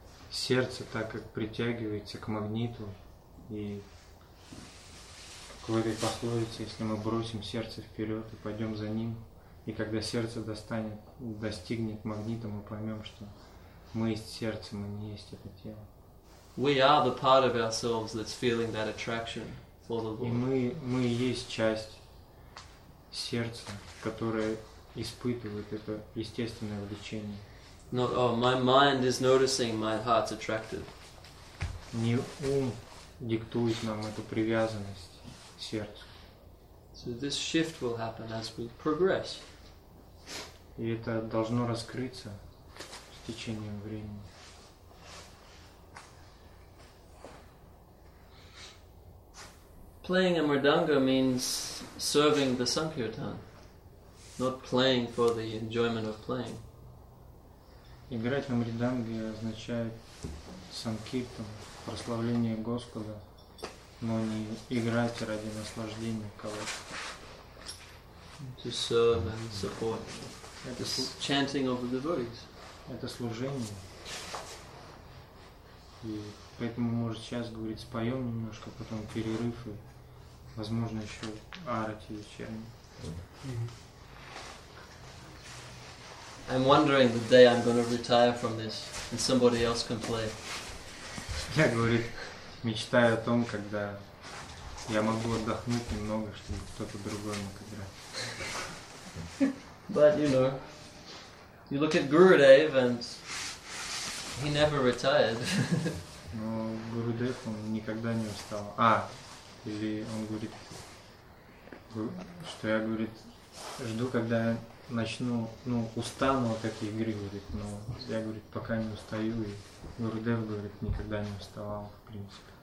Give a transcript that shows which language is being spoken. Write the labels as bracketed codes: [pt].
[ru] Сердце так как притягивается к магниту, и в этой пословице, если мы бросим сердце вперед и пойдем за ним, и когда сердце достигнет магнита, мы поймем, что мы есть сердце, мы не есть это тело. [en] We are the part of ourselves that's feeling that attraction for the Lord. [ru] И мы есть часть сердца, которое испытывает это естественное влечение. [en] Not, my mind is noticing my heart's attracted. [ru] Не ум диктует нам эту привязанность сердцу. [en] So this shift will happen as we progress. [ru] И это должно раскрыться с течением времени. [en] Playing a mridanga means serving the sankirtan, not playing for the enjoyment of playing. [ru] Играть на мриданге означает санкиртан, прославление Господа, но не играть ради наслаждения кого-то. [en] To serve and support. [ru] Это [en] chanting of the devotees. [ru] Это служение. И поэтому, может, сейчас говорить, споем немножко, потом перерыв и, возможно, еще арати вечерние. [en] I'm wondering the day I'm going to retire from this and somebody else can play. [ru] Я говорит, мечтаю о том, когда я могу отдохнуть немного, чтобы кто-то другой мог играть. [en] But you know, you look at Gurudev and he never retired. [ru] Но Гурудев, он никогда не устал. Или он говорит, что я, говорит, жду, когда начну, устану от этой игры, говорит, но я, говорит, пока не устаю, и Гурудев, говорит, никогда не уставал, в принципе.